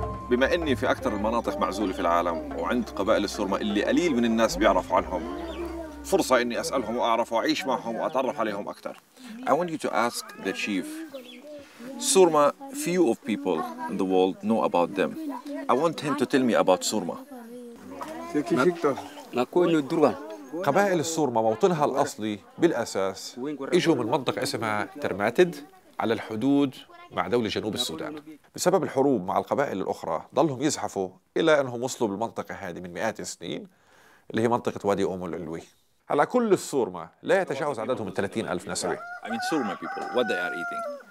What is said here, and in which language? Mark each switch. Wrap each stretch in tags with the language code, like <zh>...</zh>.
<ar>بما اني في اكثر المناطق معزوله في العالم وعند قبائل السورما اللي قليل من الناس بيعرف عنهم، فرصه اني اسالهم واعرف واعيش معهم واتعرف عليهم اكثر.</ar> <en>I want you to ask the chief. Surma, few of people in the world know about them. I want him to tell me about Surma.</en> <ar>قبائل السورما موطنها الأصلي بالأساس إجوا من منطقة اسمها ترماتد على الحدود مع دولة جنوب السودان. بسبب الحروب مع القبائل الأخرى ظلهم يزحفوا إلى أنهم وصلوا بالمنطقة هذه من مئات السنين اللي هي منطقة وادي أومو العلوي. على كل السورما لا يتجاوز عددهم 30,000 نسمة.</ar> <en>I mean Surma people, what they are eating?</en>